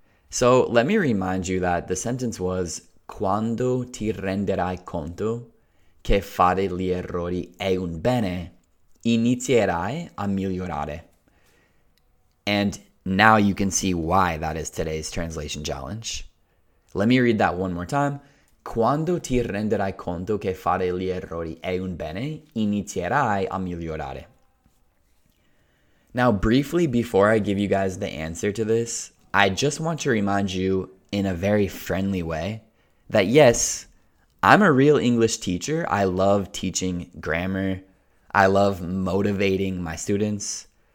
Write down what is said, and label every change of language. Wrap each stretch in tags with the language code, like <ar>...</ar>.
<en>So let me remind you that the sentence was,</en> <it>quando ti renderai conto che fare gli errori è un bene, inizierai a migliorare.</it> <en>And now you can see why that is today's translation challenge. Let me read that one more time.</en> <it>Quando ti renderai conto che fare gli errori è un bene, inizierai a migliorare.</it> <en>Now, briefly, before I give you guys the answer to this, I just want to remind you in a very friendly way that yes, I'm a real English teacher. I love teaching grammar. I love motivating my students.</en>